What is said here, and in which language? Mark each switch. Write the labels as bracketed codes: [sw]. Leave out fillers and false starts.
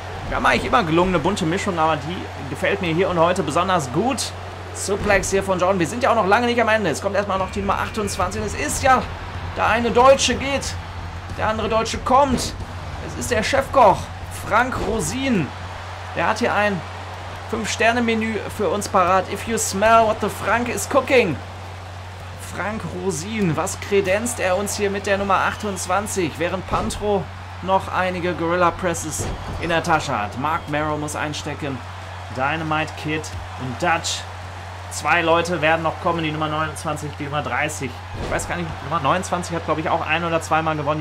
[de] Ja, mache ich immer gelungene, bunte Mischung, aber die gefällt mir hier und heute besonders gut. Suplex hier von Jordan. Wir sind ja auch noch lange nicht am Ende. Es kommt erstmal noch die Nummer 28. Es ist ja, der eine Deutsche geht, der andere Deutsche kommt. Es ist der Chefkoch, Frank Rosin. Der hat hier ein 5-Sterne-Menü für uns parat. [en] If you smell what the Frank is cooking. [de] Frank Rosin, was kredenzt er uns hier mit der Nummer 28, während Pantro noch einige Gorilla Presses in der Tasche hat. Mark Merrow muss einstecken. Dynamite Kid und Dutch Zwei Leute werden noch kommen, die Nummer 29, die Nummer 30. Ich weiß gar nicht, Nummer 29 hat, glaube ich, auch ein oder zweimal gewonnen.